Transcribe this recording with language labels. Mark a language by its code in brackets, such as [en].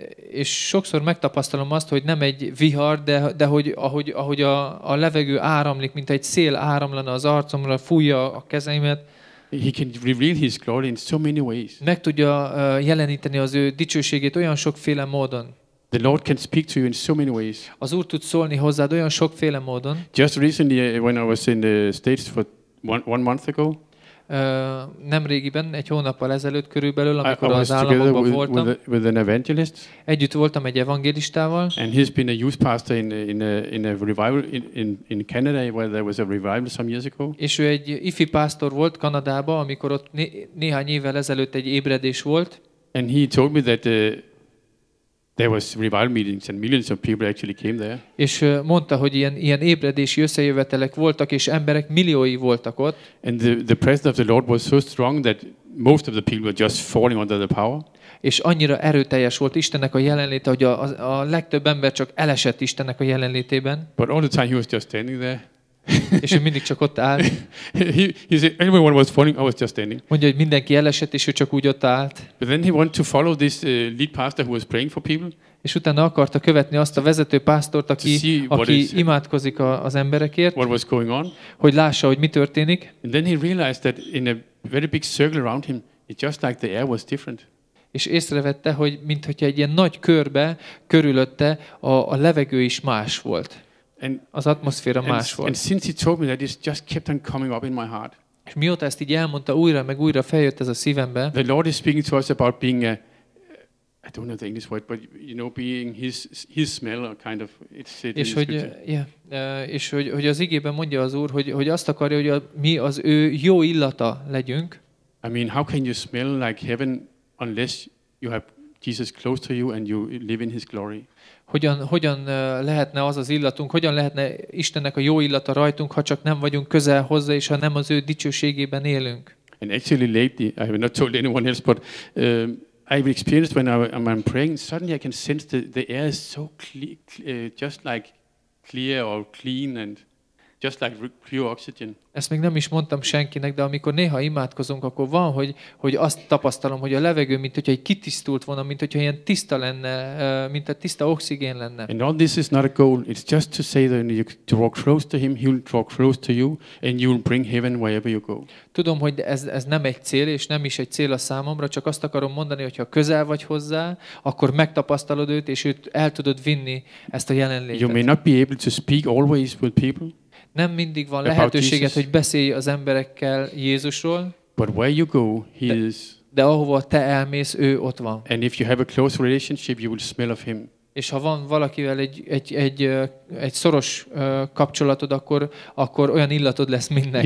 [hu] és sokszor megtapasztalom azt, hogy nem egy vihar, de hogy ahogy a levegő áramlik, mint egy szél áramlana az arcomra, fújja a kezeimet. [en] He can reveal his glory in so many ways. [hu] Meg tudja jeleníteni az ő dicsőségét olyan sokféle módon. [en] The Lord can speak to you in so many ways. [hu] Az Úr tud szólni hozzád olyan sokféle módon. [en] Just recently when I was in the States for one month ago, [hu] nem régiben, egy hónappal ezelőtt körülbelül, amikor az államokban voltam, [en] with an evangelist, [hu] együtt voltam egy evangélistával. [en] And he's been a youth pastor in a revival in Canada where there was a revival some years ago. [hu] És ő egy ifi pásztor volt Kanadában, amikor ott néhány évvel ezelőtt egy ébredés volt. [en] And he told me that there was revival meetings and millions of people actually came there. [hu] És mondta, hogy ilyen ébredési összejövetelek voltak és emberek milliói voltak ott. [en] And the presence of the Lord was so strong that most of the people were just falling under the power. [hu] És annyira erőteljes volt Istennek a jelenléte, hogy a legtöbb ember csak elesett Istennek a jelenlétében. [en] But all the time he was just standing there. [hu] És ő mindig csak ott állt. [en] He said, everyone was falling, I was just standing. [hu] Mondja, hogy mindenki elesett, és ő csak úgy ott állt. [en] But then he wanted to follow this lead pastor who was praying for people. [hu] És utána akarta követni azt a vezető pásztort, aki imádkozik az emberekért. [en] What was going on? [hu] Hogy lássa, hogy mi történik. [en] And then he realized that in a very big circle around him, it just like the air was different. [hu] És észrevette, hogy mintha egy ilyen nagy körbe körülötte a levegő is más volt. [en] And [hu] az atmoszféra más volt. [en] And since he told me that, it just kept on coming up in my heart. [hu] És mióta ezt így elmondta, újra meg újra feljött ez a szívembe. [en] The Lord is speaking to us about being a, I don't know the English word, but you know, being his smell, or kind of, it's it. [hu] És hogy, és hogy az igében mondja az Úr, hogy azt akarja, hogy mi az ő jó illata legyünk. [en] I mean, how can you smell like heaven unless you have Jesus close to you and you live in his glory? [hu] Hogyan lehetne az az illatunk, hogyan lehetne Istennek a jó illata rajtunk, ha csak nem vagyunk közel hozzá, és ha nem az ő dicsőségében élünk. [en] And actually lately, I have not told anyone else, but I've experienced when I'm praying, suddenly I can sense the air is so clear, just like clear or clean and just like pure oxygen. [hu] Ezt még nem is mondtam senkinek, de amikor néha imádkozunk, akkor van, hogy azt tapasztalom, hogy a levegő, mint hogyha egy kitisztult volna, mint hogyha ilyen tiszta lenne, mint a tiszta oxigén lenne. [en] And all this is not a goal. It's just to say that you draw close to him, he'll draw close to you, and you'll bring heaven wherever you go. [hu] Tudom, hogy ez nem egy cél, és nem is egy cél a számomra, csak azt akarom mondani, hogyha közel vagy hozzá, akkor megtapasztalod őt, és őt el tudod vinni ezt a jelenlétet. [en] You may not be able to speak always with people. [hu] Nem mindig van lehetőséget, hogy beszélj az emberekkel Jézusról. [en] But where you go, he is. [hu] De ahova te elmész, ő ott van. [en] And if you have a close relationship, you will smell of him. [hu] És ha van valakivel egy szoros kapcsolatod, akkor olyan illatod lesz mindenki.